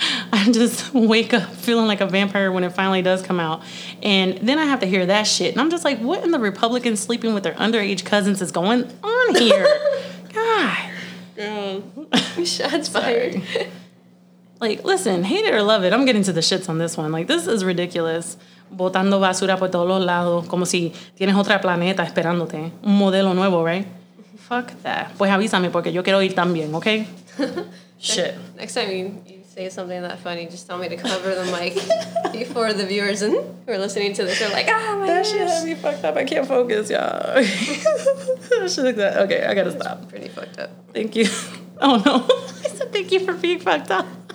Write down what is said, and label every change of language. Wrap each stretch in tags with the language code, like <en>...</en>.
<en>I just wake up feeling like a vampire when it finally does come out. And then I have to hear that shit. And I'm just like, what in the Republican sleeping with their underage cousins is going on here? God. Girl. Shots fired. Like, listen, hate it or love it, I'm getting to the shits on this one. Like, this is ridiculous.</en> <es>Botando basura por todos los lados, como si tienes otra planeta esperándote. Un modelo nuevo,</es> <en>right? Fuck that.</en> <es>Pues avísame porque yo quiero ir también, okay?</es> <en>Shit. Next time you say something that funny, just tell me to cover the mic before the viewers and who are listening to this are like, ah, my gosh. That shit had me fucked up. I can't focus, y'all. That shit like that. Okay, I gotta stop. Pretty fucked up. Thank you. Oh, no. I said thank you for being fucked up.</en>